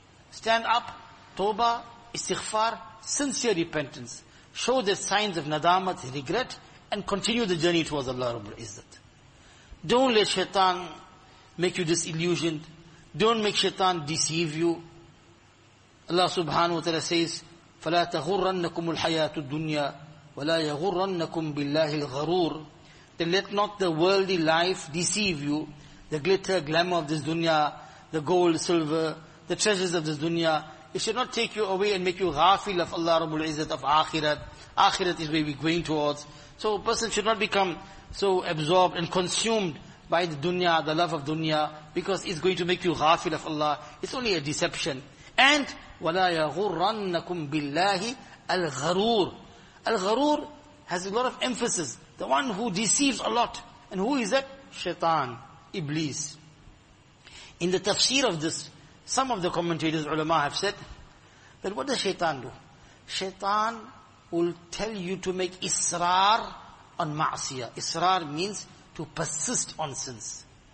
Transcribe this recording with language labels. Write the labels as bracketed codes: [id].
[en] Stand up, tawbah, istighfar, sincere repentance. Show the signs of nadamat, regret, and continue the journey towards Allah Rabbul Izzat. Don't let shaitan make you disillusioned. Don't make shaitan deceive you. [ar] Allah subhanahu wa ta'ala [en] says, [ar] فَلَا تَغُرَّنَّكُمُ الْحَيَاةُ الدُّنْيَا وَلَا يَغُرَّنَّكُمْ بِاللَّهِ الْغَرُورِ. [en] Then let not the worldly life deceive you. The glitter, glamour of this dunya, the gold, silver, the treasures of this dunya, it should not take you away and make you ghafil of Allah Rabbul Izzat, of akhirat. Akhirat is where we're going towards. So a person should not become so absorbed and consumed by the dunya, the love of dunya, because it's going to make you ghafil of Allah. It's only a deception. And [ar] وَلَا يَغُرَّنَّكُمْ بِاللَّهِ الْغَرُورِ. [en] Al-gharur has a lot of emphasis. The one who deceives a lot. And who is that? Shaitan, Iblis. In the tafsir of this, some of the commentators, ulama, have said that what does shaitan do? Shaitan will tell you to make israr on ma'asiyah. Israr means to persist on sins.